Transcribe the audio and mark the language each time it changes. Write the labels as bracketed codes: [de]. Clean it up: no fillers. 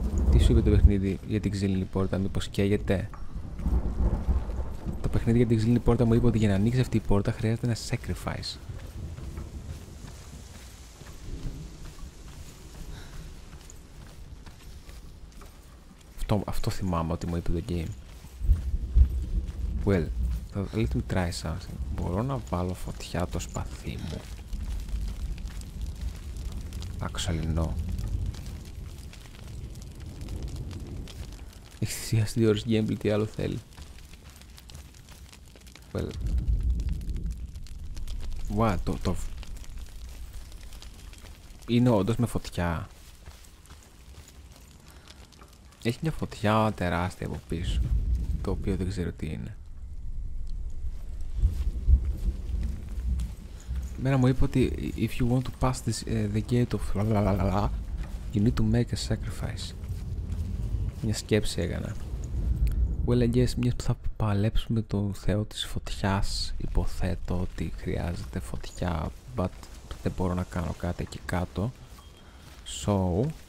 [el] Τι σου είπε το παιχνίδι για την ξύλινη πόρτα, μήπως καίγεται? Το παιχνίδι για την ξύλινη πόρτα μου είπε ότι για να ανοίξει αυτή η πόρτα χρειάζεται ένα sacrifice. Αυτό θυμάμαι ότι μου είπε το game. [en] Well, let me try something. [el] Μπορώ να βάλω φωτιά το σπαθί μου? [en] Actually, no. [el] Έχει θυσιάσει 2 ώρες gameplay, τι άλλο θέλει? [en] Well. What, το... [el] Είναι όντως με φωτιά. Έχει μια φωτιά τεράστια από πίσω, το οποίο δεν ξέρω τι είναι. Μέρα μου είπε ότι [en] if you want to pass this, the gate of la, you need to make a sacrifice. [el] Μια σκέψη έκανα. [en] Well, I guess, [el] μια που θα παλέψουμε τον θεό της φωτιάς, υποθέτω ότι χρειάζεται φωτιά, but δεν μπορώ να κάνω κάτι εκεί κάτω. So...